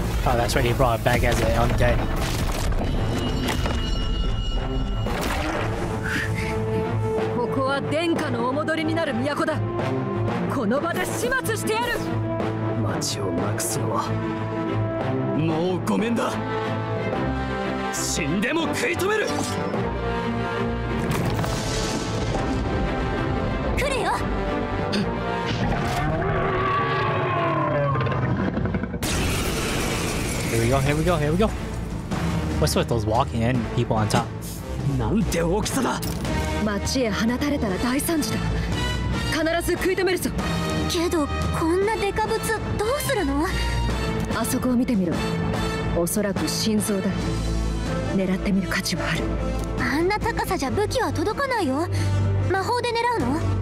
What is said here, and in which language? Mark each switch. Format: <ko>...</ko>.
<en>Oh, that's right. He brought it back as an undead.</en> <ja>ここは殿下のお戻りになる都だ。この場で始末してやる。街をなくすのはもうごめんだ。死んでも食い止める。来るよ。</ja> <en>Here we go, here we go, here we go. What's with those walking and people on top?</en> <ja>なんて大きさだ。街へ放たれたら大惨事だ。必ず食い止めるぞ。けど、こんなデカ物どうするの？あそこを見てみろ。おそらく心臓だ。狙ってみる価値はある。あんな高さじゃ武器は届かないよ。魔法で狙うの？</ja>